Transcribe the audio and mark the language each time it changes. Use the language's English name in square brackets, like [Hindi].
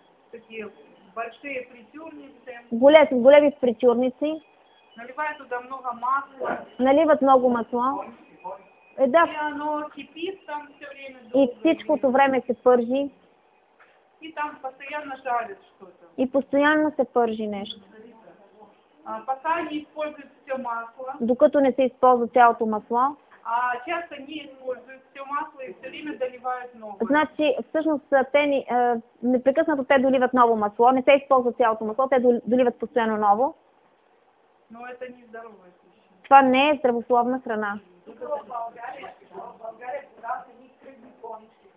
[Russian] Такие большие фритюрницы. [Bulgarian] Големи фритюрници. [Russian] Наливают туда много масла. [Bulgarian] Наливат много масла. Да. [Russian] И оно кипит там все время. [Bulgarian] И всичкото време се пържи. [Russian] И там постоянно жарят что-то. [Bulgarian] И постоянно се пържи нещо. [Russian] Пока не используют все масло. [Bulgarian] Докато не се използва цялото масло. [Russian] А часто не используют все масло и все время доливают ново. [Bulgarian] Значи, всъщност, те непрекъснато те доливат ново масло, не се използва цялото масло, те доливат постоянно ново. [Russian] Но это не здорово. [Bulgarian] Това не е здравословна храна. Тук в България, правят едни кръгли понички.